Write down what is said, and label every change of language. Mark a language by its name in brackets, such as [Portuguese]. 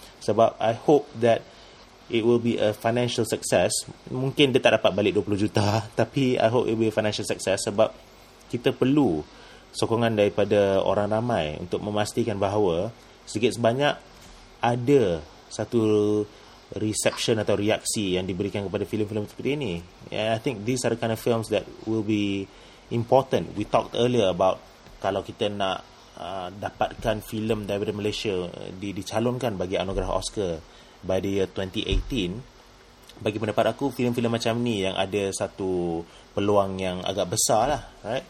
[Malay] Sebab [English] I hope that it will be a financial success. [Malay] Mungkin dia tak dapat balik 20 juta. Tapi [English] I hope it will be a financial success. [Malay] Sebab kita perlu sokongan daripada orang ramai untuk memastikan bahawa sedikit sebanyak ada satu reception atau reaksi yang diberikan kepada filem-filem seperti ini. [English] And I think these are the kind of films that will be important. We talked earlier about [Malay] kalau kita nak dapatkan filem daripada Malaysia dicalonkan bagi anugerah Oscar [English] by the year 2018, [Malay] bagi pendapat aku, filem-filem macam ni yang ada satu peluang yang agak besar lah, [English] right?